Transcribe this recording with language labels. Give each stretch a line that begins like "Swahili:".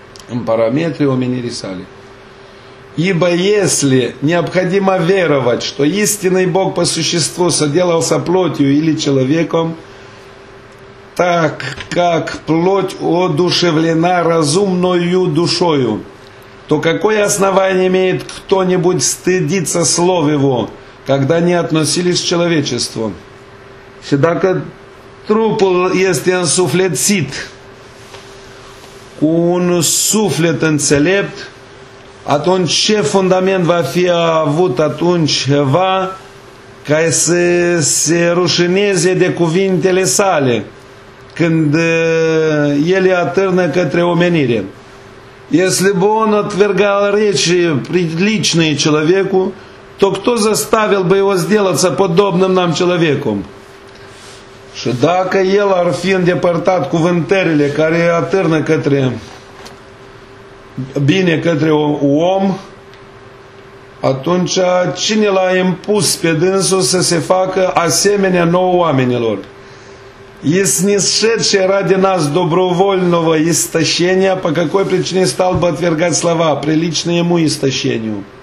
Romanian: În parametri omenirii sale.
Russian: Ибо если необходимо веровать, что истинный Бог по существу соделался плотью или человеком, так как плоть одушевлена разумною душою, то какое основание имеет кто-нибудь стыдиться слов его, когда не относились к человечеству?
Romanian: Și dacă trupul este însuflețit cu un suflet înțelept, atunci ce fundament va fi avut atunci ceva ca să se rușineze de cuvintele sale când ele atârnă către omenire?
Russian: Если бы он отвергал речи, приличные человеку, то кто заставил бы его сделаться подобным нам человеку?
Romanian: Și dacă el ar fi îndepărtat cuvântările care atârnă către bine către om, atunci cine l-a impus pe dânsul să se facă asemenea nouă oamenilor?
Russian: Иснесшедший ради нас добровольного истощения, по какой причине стал бы отвергать слова, приличные ему истощению?